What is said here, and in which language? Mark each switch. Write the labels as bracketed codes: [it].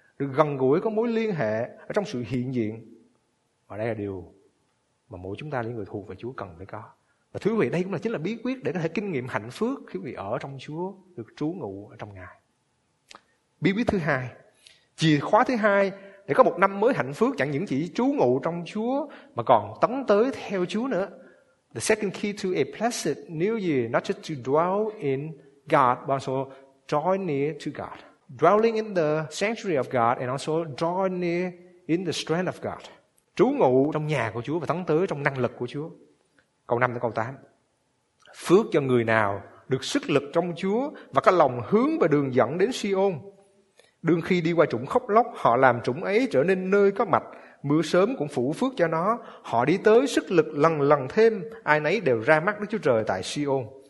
[vi] Được gần gũi, có mối liên hệ ở trong sự hiện diện. Và đây là điều mà mỗi chúng ta, những người thuộc về Chúa, cần phải có. Và thưa quý vị, đây cũng là chính là bí quyết để có thể kinh nghiệm hạnh phúc khi quý vị ở trong Chúa, được trú ngụ ở trong Ngài. Bí quyết thứ hai, chìa khóa thứ hai để có một năm mới hạnh phúc, chẳng những chỉ trú ngụ trong Chúa mà còn tấn tới theo Chúa nữa. [en] The second key to a blessed new year, not just to dwell in God, but also draw near to God. Dwelling in the sanctuary of God and also draw near in the strength of God. [vi] Trú ngụ trong nhà của Chúa và tấn tới trong năng lực của Chúa. Câu 5 đến câu 8. Phước cho người nào được sức lực trong Chúa và có lòng hướng về đường dẫn đến Si-ôn. Đương khi đi qua trũng khóc lóc, họ làm trũng ấy trở nên nơi có mạch. Mưa sớm cũng phủ phước cho nó. Họ đi tới sức lực lần lần thêm, ai nấy đều ra mắt Đức Chúa Trời tại Si-ôn.